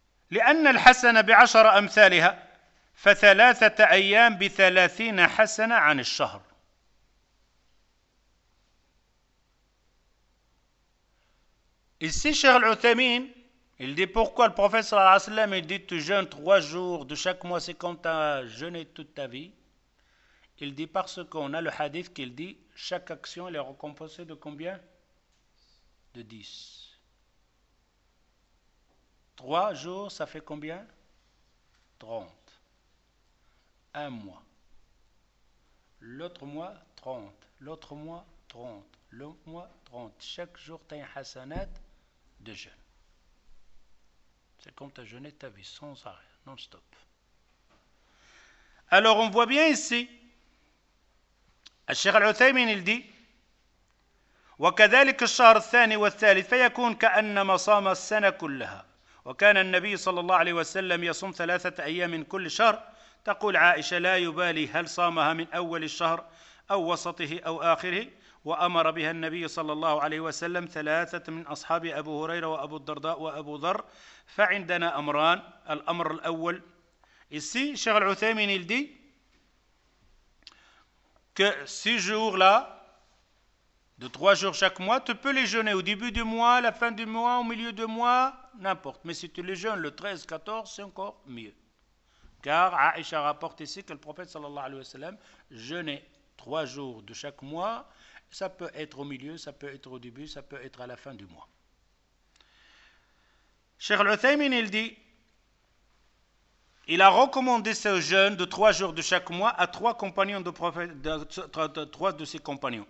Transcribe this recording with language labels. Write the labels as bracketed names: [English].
[Arabic] لأن الحسنة بعشر أمثالها فثلاثة أيام بثلاثين حسنة عن الشهر. [French] Ici, Cheikh Al-Uthaymin, il dit pourquoi le prophète صلى الله عليه وسلم il dit tu jeûnes trois jours de chaque mois, c'est quand tu as jeûné toute ta vie. Il dit parce qu'on a le hadith qu'il dit chaque action est récompensée de combien? De 10. 3 jours, ça fait combien? 30. Un mois. L'autre mois, 30. L'autre mois, 30. Le mois, 30. Chaque jour, tu as un hasanat de jeûne. C'est comme tu as jeûné ta vie sans arrêt, non-stop. Alors, on voit bien ici, Al-Sheikh Al-Uthaymin, il dit, [Arabic] وَكَذَلِكَ الشَّهْرُ الثَّانِي وَالثَّالِثِ فَيَكُونَ كَأَنَّمَا صَامَ السَّنَ كُلَّهَا وكان النبي صلى الله عليه وسلم يصوم ثلاثة أيام من كل شهر تقول عائشة لا يبالي هل صامها من أول الشهر أو وسطه أو آخره وأمر بها النبي صلى الله عليه وسلم ثلاثة من أصحاب أبو هريرة وأبو الدرداء وأبو ذر فعندنا أمران الأمر الأول [French] ici Cheikh Al-Uthaymin il dit que ces jours là de trois jours chaque mois tu peux les jeûner au début du mois la fin du mois au milieu du mois n'importe, mais si tu le jeûnes le 13, 14, c'est encore mieux. Car Aïcha rapporte ici que le prophète sallallahu alayhi wa sallam jeûnait trois jours de chaque mois. Ça peut être au milieu, ça peut être au début, ça peut être à la fin du mois. Cheikh Al-Uthaymin, il dit, il a recommandé ce jeûne de trois jours de chaque mois à trois compagnons de prophète, trois de ses compagnons.